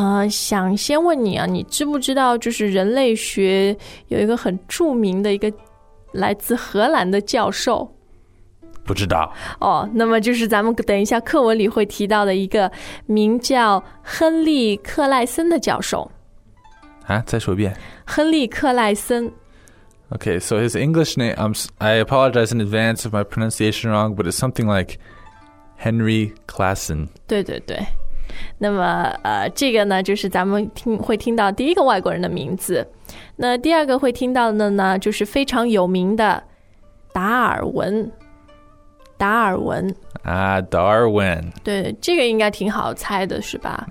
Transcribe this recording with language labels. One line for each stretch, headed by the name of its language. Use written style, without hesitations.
Chinese: 想先问你啊你知不知道就是人类学有一个很著名的一个来自荷兰的教授不知道哦，那么就是咱们等一下课文里会提到的一个名叫亨利·克赖森的教授啊，再说一遍，亨利·克赖森。
English: Okay, so his English name, I apologize in advance if my pronunciation wrong, but it's something like Henry Classen.
Chinese: 对对对，那么这个呢，就是咱们会听到第一个外国人的名字，那第二个会听到的呢，就是非常有名的达尔文。达尔文啊，达尔文，对，这个应该挺好猜的，是吧？